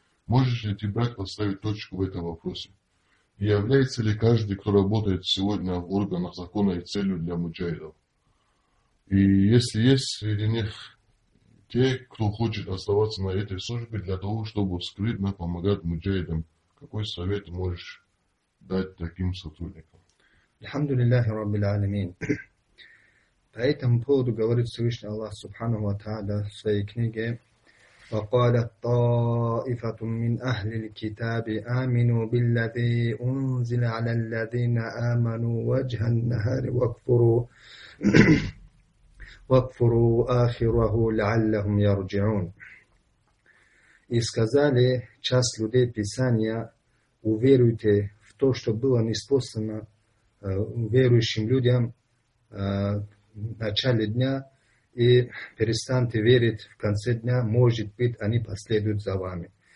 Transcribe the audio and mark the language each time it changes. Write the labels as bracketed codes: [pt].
[ru] Можешь ли ты, брат, поставить точку в этом вопросе? Является ли каждый, кто работает сегодня в органах закона, и целью для муджахидов? И если есть среди них те, кто хочет оставаться на этой службе для того, чтобы скрытно помогать муджахидам, какой совет можешь дать таким сотрудникам? Алхамду лиллахи раббил алямин. По этому поводу говорит Всевышний Аллах Субхану ва Тааля в своей книге: [ar] وقالت طائفة من أهل الكتاب آمنوا بالذي أنزل على الذين آمنوا وجه النهار واكفروا آخره لعلهم يرجعون. [ru] и сказали, часть людей Писания, уверуйте в то, что было ниспослано верующим людям в начале дня, и перестаньте верить в конце дня, может быть, они последуют за вами.